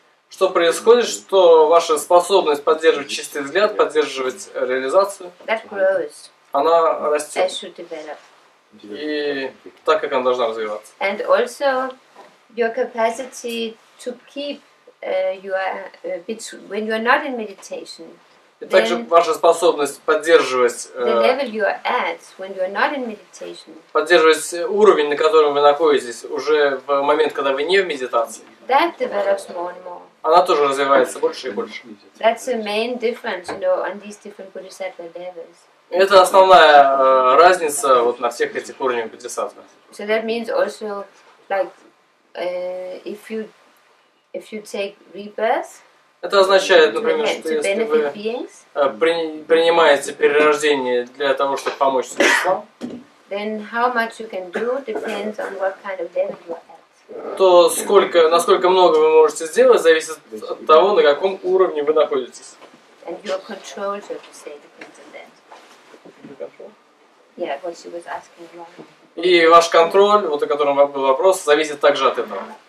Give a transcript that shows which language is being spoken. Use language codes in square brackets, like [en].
[ru] Что происходит, что ваша способность поддерживать чистый взгляд, поддерживать реализацию, она растет. И так, как она должна развиваться. [en] And also your capacity to keep when you are not in meditation. [ru] И также ваша способность поддерживать [en] the level you are at when you are not in meditation. [ru] Поддерживать уровень, на котором вы находитесь, уже в момент, когда вы не в медитации. [en] That develops more and more. [ru] она тоже развивается больше и больше. [en] That's the main difference, you know, on these different bodhisattva levels. [ru] Это основная разница вот на всех этих уровнях бодхисаттвы. [en] So that means also, like, if you take rebirth. [ru] Это означает, например, что если вы принимаете перерождение для того, чтобы помочь существам, [en] then how much you can do depends on what kind of level you are at. [ru] То сколько, насколько много вы можете сделать, зависит от того, на каком уровне вы находитесь. [en] And your control, so to say, depends on that. Yeah, what she was asking about. [ru] И ваш контроль, вот о котором был вопрос, зависит также от этого.